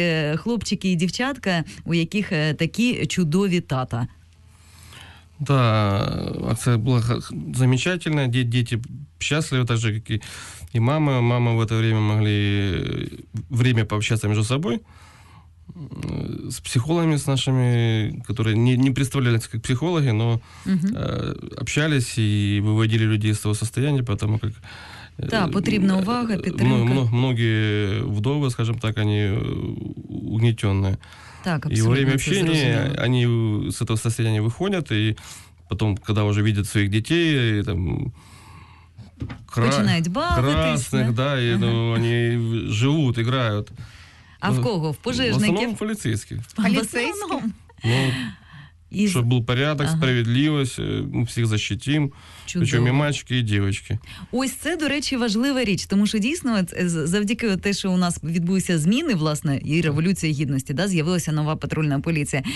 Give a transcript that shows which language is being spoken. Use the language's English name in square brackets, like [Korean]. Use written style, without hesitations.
[Ukrainian] ось хлопчики і дівчатка, у яких такі чудові тата. Да, це було замечательно. Діти щасливі, так же, як і мама. Мама в це время могли время пообщаться між собою. [Russian] С психологами с нашими, которые не представлялись как психологи, но общались и выводили людей из того состояния, потому как... [Ukrainian] Да, потрібна увага, підтримка. [Russian] Многие вдовы, скажем так, они угнетенные. [Ukrainian] Так, [Russian] и во время общения они с этого состояния выходят, и потом, когда уже видят своих детей, и там... [Ukrainian] Починають бавитись. [Russian] Красных, да, и ну, они живут, играют. [Ukrainian] А в кого? В пожежників? В основному поліцейських. Поліцейські? Ну, щоб був порядок, справедливість, ми всіх захистимо. Чудово. Причому і мальчики, і дівчатки. Ось це, до речі, важлива річ, тому що дійсно, завдяки те, що у нас відбулися зміни, власне, і революція гідності, да, з'явилася нова патрульна поліція.